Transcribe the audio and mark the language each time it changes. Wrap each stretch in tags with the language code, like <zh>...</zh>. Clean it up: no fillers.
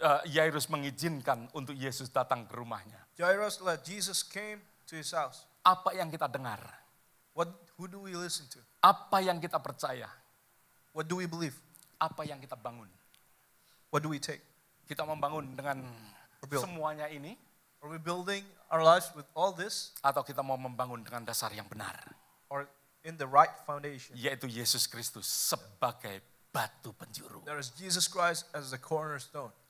<id>Jairus mengizinkan untuk Yesus datang ke rumahnya.</id> <en>Jairus let Jesus came to his house.</en> <id>Apa yang kita dengar?</id> <en>Who do we listen to?</en> <id>Apa yang kita percaya?</id> <en>What do we believe?</en> <id>Apa yang kita bangun?</id> <en>What do we take?</en> <id>Kita membangun dengan semuanya ini.</id> <en>Are we building our lives with all this?</en> <id>Atau kita mau membangun dengan dasar yang benar?</id> <en>Or in the right foundation?</en> <id>Yaitu Yesus Kristus sebagai batu penjuru.</id> <en>There is Jesus Christ as the cornerstone.</en>